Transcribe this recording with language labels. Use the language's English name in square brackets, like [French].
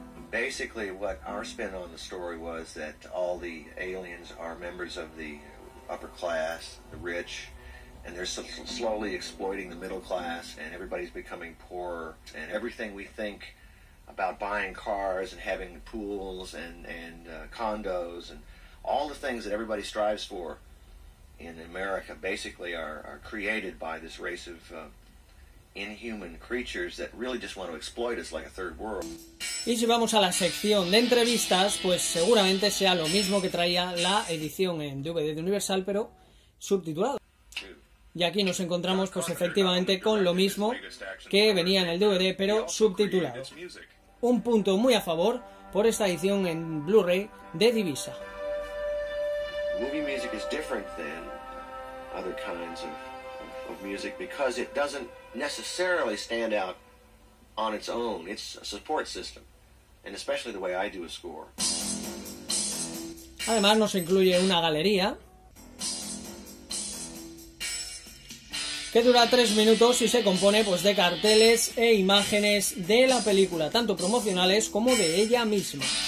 [English] Basically, what our spin on the story was that all the aliens are members of the upper class, the rich, and they're slowly exploiting the middle class, and everybody's becoming poorer, and everything we think about buying cars and having pools and condos and all the things that everybody strives for in America basically are created by this race of inhuman creatures that really just want to exploit us like a third world. [Spanish] Y si vamos a la sección de entrevistas, pues seguramente sea lo mismo que traía la edición en DVD de Universal, pero subtitulado. Y aquí nos encontramos, pues efectivamente, con lo mismo que venía en el DVD, pero subtitulado. Un punto muy a favor por esta edición en Blu-ray de Divisa. [English] Movie music is different than other kinds of music because it doesn't necessarily stand out on its own. It's a support system, and especially the way I do a score. [Spanish] Además, nos incluye una galería que dura 3 minutos y se compone, pues, de carteles e imágenes de la película, tanto promocionales como de ella misma.